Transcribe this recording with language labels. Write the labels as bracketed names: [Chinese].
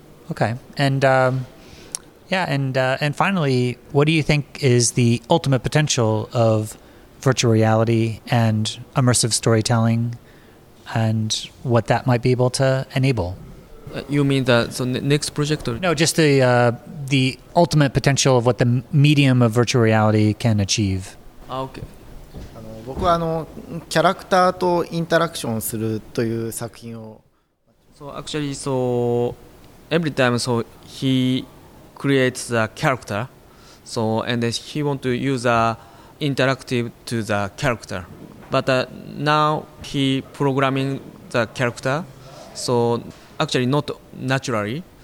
[English] Okay, and and finally, what do you think is the ultimate potential of virtual reality and immersive storytelling, and what that might be able to enable? You mean next project? Or? No, just the ultimate potential of what the medium of virtual reality can achieve. Okay. [Japanese] 僕はキャラクターとインタラクションするという作品を。 [English] So actually, so every time, so he creates the character, so and then he want to use the interactive to the character. But now he programming the character, so actually not naturally.